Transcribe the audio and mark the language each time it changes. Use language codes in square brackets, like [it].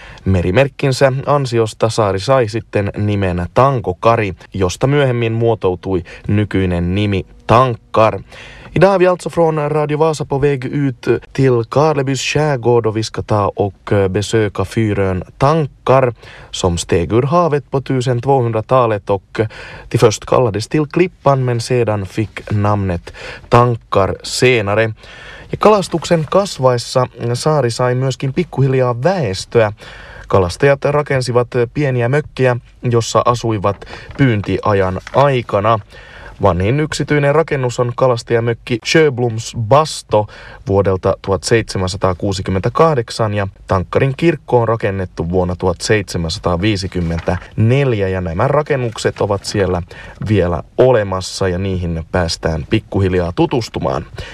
[fi] Merimerkkinsä ansiosta saari sai sitten nimen Tankokari, josta myöhemmin muotoutui nykyinen nimi Tankkar. [sv] I dag vi alltså från Radio Vasa på väg ut till Karlebys skärgård och vi ska ta och besöka fyrön Tankkar som steg ur havet på 1200-talet och till först kallades till Klippan men sedan fick namnet Tankkar senare. [fi] Ja kalastuksen kasvaessa saari sai myöskin pikkuhiljaa väestöä. Kalastajat rakensivat pieniä mökkejä, jossa asuivat pyyntiajan aikana. Vanhin yksityinen rakennus on kalastajamökki Sjöblums Basto vuodelta 1768, ja tankkarin kirkko on rakennettu vuonna 1754, ja nämä rakennukset ovat siellä vielä olemassa ja niihin päästään pikkuhiljaa tutustumaan.